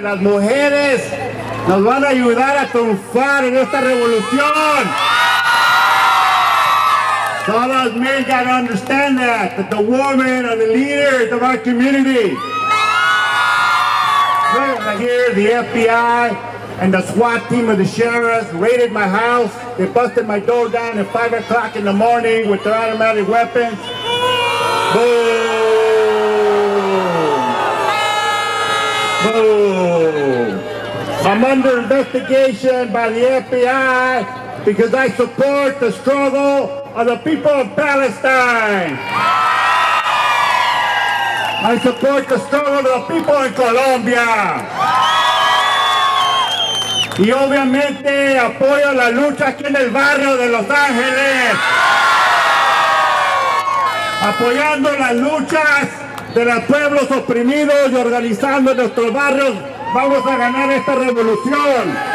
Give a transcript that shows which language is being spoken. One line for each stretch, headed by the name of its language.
Spanish: Las mujeres nos van a ayudar a triunfar en esta revolución.
English: So all those men got to understand that the women are the leaders of our community. Right here, the FBI and the SWAT team of the sheriffs raided my house. They busted my door down at 5 o'clock in the morning with their automatic weapons. Boom! Boom! I'm under investigation by the FBI because I support the struggle of the people of Palestine. I support the struggle of the people in Colombia.
Spanish: Y obviamente apoyo la lucha aquí en el barrio de Los Ángeles. Apoyando las luchas de los pueblos oprimidos y organizando nuestros barrios, vamos a ganar esta revolución.